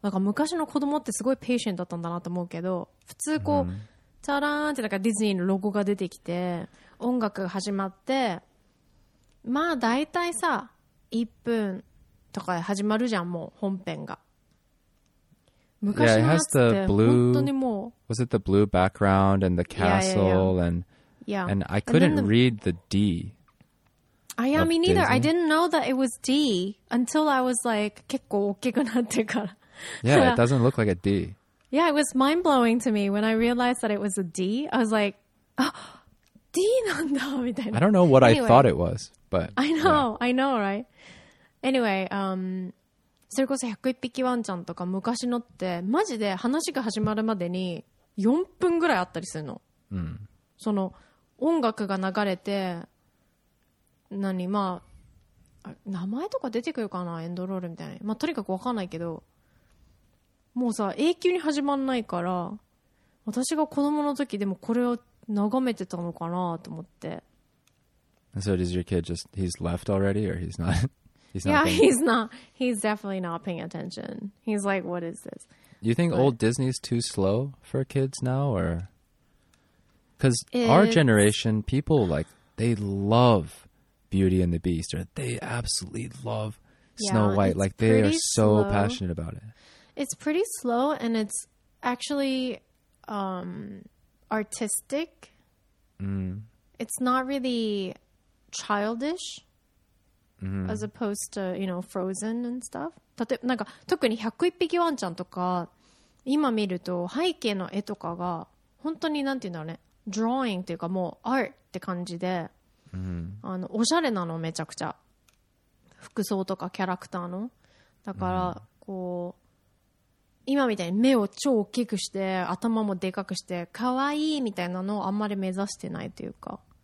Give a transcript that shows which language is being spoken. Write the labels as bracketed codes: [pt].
[ja] なんか昔の子供ってすごいペーシェントだったんだなと思うけど、普通こうチャラーンってなんかディズニーのロゴが出てきて音楽が始まって、まあ大体さ1分とかで始まるじゃん、もう本編が。昔のやつって本当にもう。 [en] Was it the blue background and the castle and I couldn't read the D. I mean, updating. Neither. I didn't know that it was D until I was like, [ja] 結構大きくなってから. [en] Yeah, it doesn't look like a D. Yeah, it was mind-blowing to me when I realized that it was a D. I was like, D [ja] なんだみたいな. [en] I don't know what anyway, I thought it was, but... I know, yeah. I know, right? [ja] Anyway, それこそ101匹ワンちゃんとか昔のって、マジで話が始まるまでに4分ぐらいあったりするの。 Mm. その音楽が流れて、何まあ名前とか出てくるかなエンドロールみたいな、まあ、とにかく分かんないけどもうさ永久に始まんないから私が子供の時でもこれを眺めてたのかなと思って [en] And so does your kid just he's left already or he's not he's not yeah he's not he's definitely not paying attention he's like what is this you think But, old Disney's too slow for kids now or because our generation people like they loveBeauty and the Beast, or they absolutely love Snow yeah, White. Like, they are so、slow. Passionate about it. It's pretty slow, and it's actually、artistic.、 Mm. It's not really childish、mm. as opposed to, you know, Frozen and stuff. [ja] 例えばなんか特に101匹ワンちゃんとか今見ると背景の絵とかが本当になんていうんだろうね drawing というかもう art って感じでうん、あのおしゃれなのめちゃくちゃ服装とかキャラクターのだから、うん、こう今みたいに目を超大きくして頭もでかくして可愛いみたいなのをあんまり目指してないというか、